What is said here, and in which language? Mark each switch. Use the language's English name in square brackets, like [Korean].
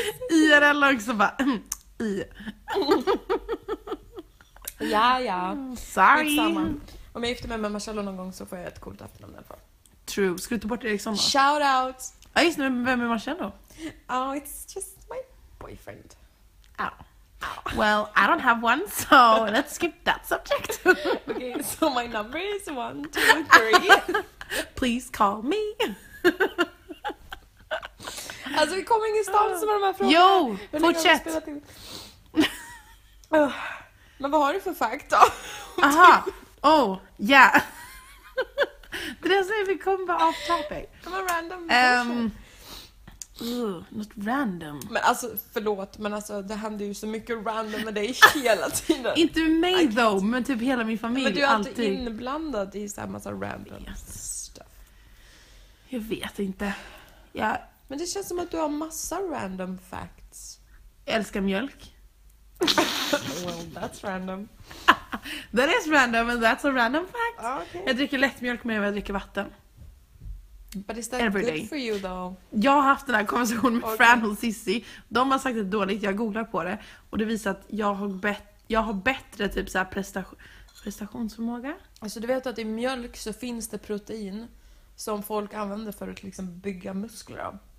[Swedish] IRL också bara I. Ja, ja. [English] Sorry. [Swedish] Om jag gifter mig med Marcello någon gång så får jag ett coolt efternamn i alla fall. [English] True. [Swedish] Ska du ta bort Eriksson då? [English] Shout out! [Swedish] Ja just nu, vem är Marcello? [English] Oh, it's just my boyfriend. Oh. Well, I don't have one, so let's skip that subject. Okay, so my number is 1, 2, 3. Please call me. [Swedish] Alltså vi kommer ingenstans med de här frågorna. Jo, fortsätt! Men vad har du för fact då? [English] Aha. Oh, yeah. [Swedish] Det är så vi kommer bara [English] off topic. [Swedish] Det var random. Något random. Men alltså, förlåt, men alltså, det händer ju så mycket random med dig hela tiden. Inte mig though, men typ hela min familj. Men du är alltid inblandad i så här massa [English] random stuff. [Swedish] Jag vet inte. Men det känns som att du har massa random facts. Jag älskar mjölk. [English] Well, that's random. That is random, and that's a random fact. Okay. [Swedish] Jag dricker lättmjölk mer än jag dricker vatten. [English] But is that good for you though? [Swedish] Jag har haft den här konversationen med Fran och Sissy. De har sagt det dåligt, jag googlar på det. Och det visar att jag har bättre typ så här prestationsförmåga. Alltså du vet att i mjölk så finns det protein som folk använder för att liksom bygga muskler av.